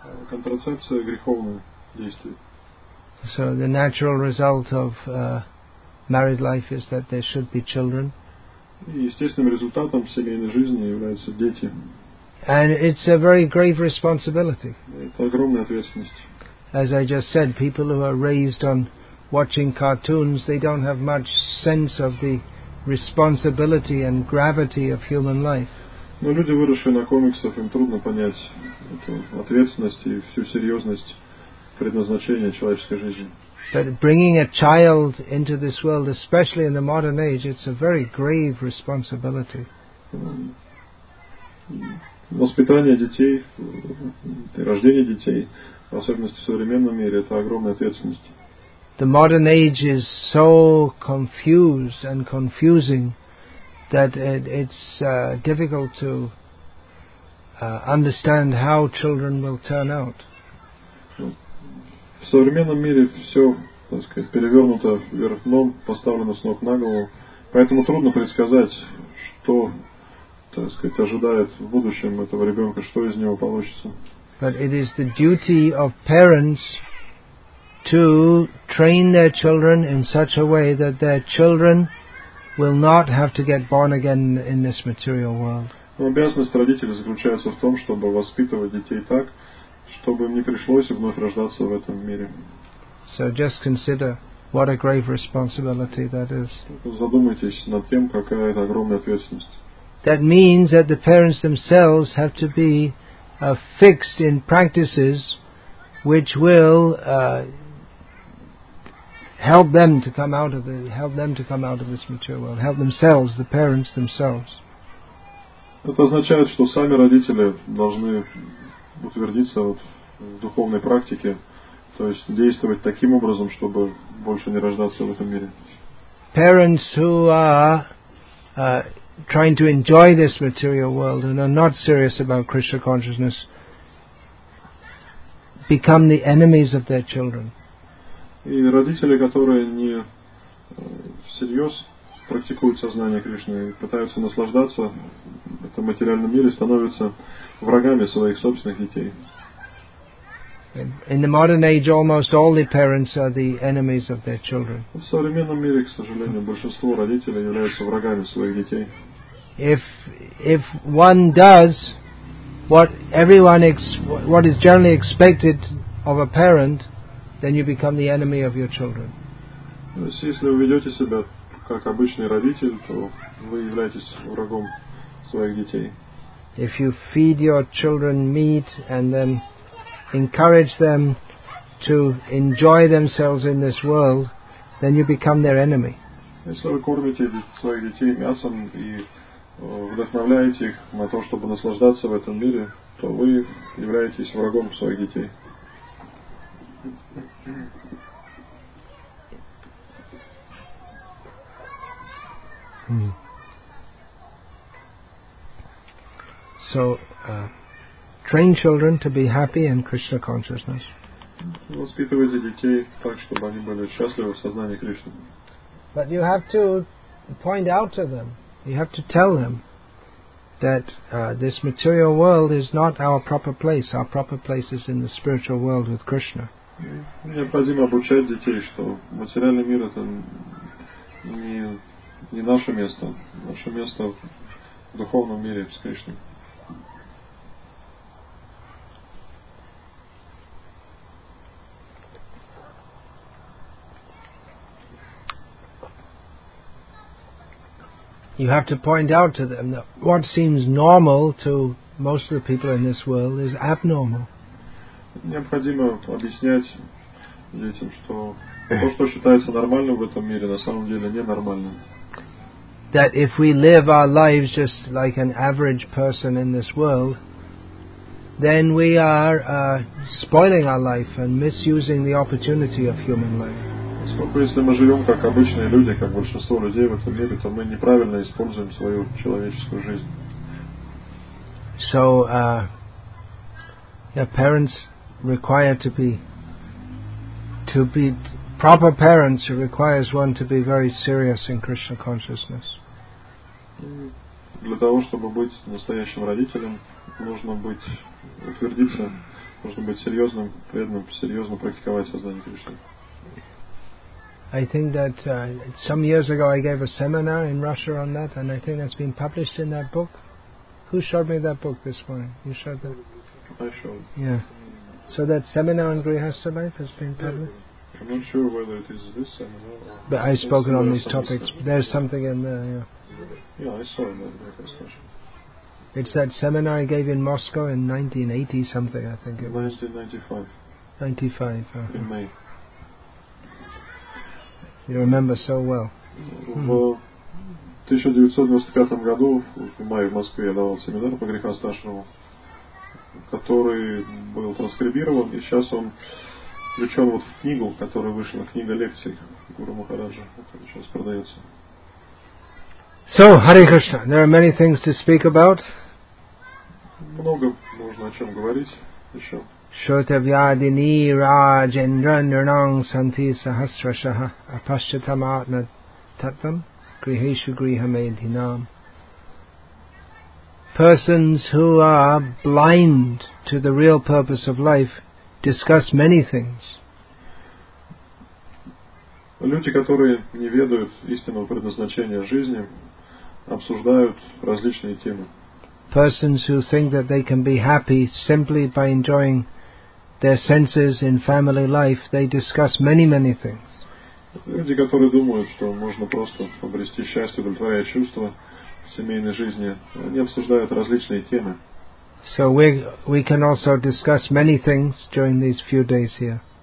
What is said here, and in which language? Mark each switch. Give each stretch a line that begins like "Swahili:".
Russian: Контрацепция – греховное действие.
English: So the natural result of married life is that there should be children.
Russian: И естественным результатом семейной жизни являются дети.
English: And it's a very grave responsibility.
Russian: Это огромная ответственность.
English: As I just said, people who are raised on watching cartoons, they don't have much sense of the responsibility and gravity of human life.
Russian: Но люди, выросшие на комиксах, им трудно понять эту ответственность и всю серьезность предназначения человеческой жизни.
English: But bringing a child into this world, especially in the modern age, it's a very grave responsibility.
Russian: Воспитание детей, рождение детей, в особенности в современном мире, это огромная ответственность.
English: The modern age is so confused and confusing that it's difficult to understand how children will turn out.
Russian: В современном мире все, так сказать, перевернуто вверх дном, поставлено с ног на голову, поэтому трудно предсказать, что, так сказать, ожидает в будущем этого ребенка, что из него получится.
English: But it is the duty of parents to train their children in such a way that their children will not have to get born again in this material world.
Russian: Обязанность родителей заключается в том, чтобы воспитывать детей так, чтобы им не пришлось вновь рождаться в этом мире.
English: So just consider what a grave responsibility that is.
Russian: Задумайтесь над тем, какая это огромная ответственность.
English: That means that the parents themselves have to be fixed in practices which will help them to come out of the mature world, help themselves, the parents themselves.
Russian: Это означает, что сами родители должны утвердиться вот в духовной практике, то есть действовать таким образом, чтобы больше не рождаться в этом мире.
English: Parents who are trying to enjoy this material world and are not serious about Krishna consciousness become the enemies of their children.
Russian: И родители, которые не всерьез практикуют сознание Кришны и пытаются наслаждаться этим материальным миром, становятся врагами своих собственных детей.
English: In the modern age, almost all the parents are the enemies of their children.
Russian: В современном мире, к сожалению, большинство родителей являются врагами своих детей.
English: If one does what everyone what is generally expected of a parent, then you become the enemy of your children.
Russian: Если вы ведете себя как обычный родитель, то вы являетесь врагом своих детей.
English: If you feed your children meat and then encourage them to enjoy themselves in this world, then you become their enemy.
Russian: Если вы кормите своих детей мясом и вдохновляете их на то, чтобы наслаждаться в этом мире, то вы являетесь врагом своих детей.
English: So, train children to be happy in Krishna consciousness.
Russian: Воспитывайте детей так, чтобы они были счастливы в сознании Кришны.
English: But you have to point out to them. You have to tell them that this material world is not our proper place. Our proper place is in the spiritual world with Krishna.
Russian: Необходимо обучать детей, что материальный мир это не наше место. Наше место в духовном мире с Кришной.
English: You have to point out to them that what seems normal to most of the people in this world is abnormal.
Russian: Необходимо объяснять детям, что то, что считается нормальным в этом мире, на самом деле ненормальным.
English: That if we live our lives just like an average person in this world, then we are spoiling our life and misusing the opportunity of human life.
Russian: Поскольку если мы живем как обычные люди, как большинство людей в этом мире, то мы неправильно используем свою человеческую жизнь.
English: So, your parents require to be proper parents requires one to be very serious in Krishna consciousness.
Russian: Для того, чтобы быть настоящим родителем, нужно быть утвердиться, нужно быть серьезным, преданным, серьезно практиковать сознание Кришны.
English: I think that some years ago I gave a seminar in Russia on that, and I think that's been published in that book. Who showed me that book this morning? You showed that? I showed. Yeah. So that seminar on Grihastha life has been published? I'm not sure whether it is this seminar. Or but I've spoken on these topics. There's something in there, yeah. Yeah, I saw it in that discussion. It's that seminar I gave in Moscow in 1980-something, I think it was. 1995. Uh-huh. In May. You remember so well.
Russian: В 1995 году в мае в Москве я давал семинар по грехастхашраму, который был транскрибирован, и сейчас он включен вот в книгу, которая вышла, книга лекций Гуру Махараджа, которая сейчас продается.
English: So, Hare Krishna, there are many things to speak about.
Russian: Много можно о чем говорить еще.
Sanskrit: Shrutavyadini Rajendranang Santi Sahasrashaha Apashatamatna Tattvam Griheshu Grihamedhinam.
English: Persons who are blind to the real purpose of life discuss many things.
Russian: Люди, которые не ведают истинного предназначения жизни, обсуждают различные темы.
English: Persons who think that they can be happy simply by enjoying their senses in family life, they discuss many, many things.
Russian: Люди, которые думают, что можно просто обрести счастье, удовлетворяя чувства в семейной жизни, они обсуждают различные темы.
English: So we can also discuss many things during these few days here.